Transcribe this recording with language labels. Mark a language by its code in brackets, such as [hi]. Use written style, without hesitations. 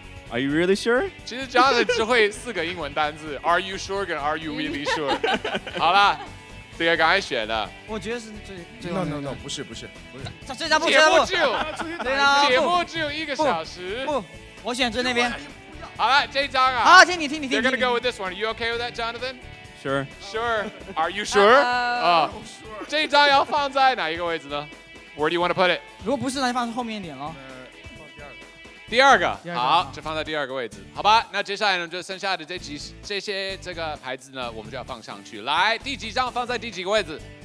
[en] Are you really sure? [zh] 其实 Jonathan 只会四个英文单字 [en] Are you sure? [zh] 跟 [en] Are you really sure? [zh] 好了。这个刚才选的，我觉得是最后。 [en] No, [zh] 不是，这张不，节目只有，节目只有一个小时。不，我选最那边。好了，这一张啊。好，听你。 [en] They're gonna go with this one. You okay with that, Jonathan? Sure. Are you sure? [zh] 这一张要放在哪一个位置呢？ [en] Where do you want to put it? [zh] 如果不是，那就放后面一点喽。第二个，好，就放在第二个位置，好吧。那接下来呢，就剩下的这些这个牌子呢，我们就要放上去。来，第几张放在第几个位置？